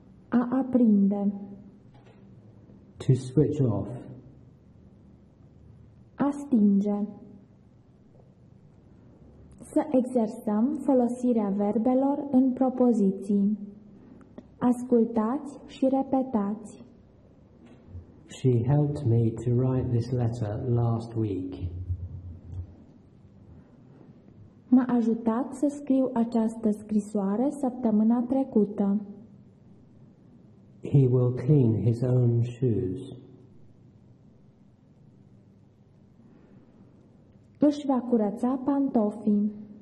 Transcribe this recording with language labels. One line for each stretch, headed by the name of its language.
Romanian: A aprinde.
English: To switch off.
Romanian: A stinge. Să exersăm folosirea verbelor în propoziții. Ascultați și repetați.
English: She helped me to write this letter last week.
Romanian: M-a ajutat să scriu această scrisoare săptămâna trecută.
English: He will clean his own shoes.
Romanian: Își va curăța pantofii.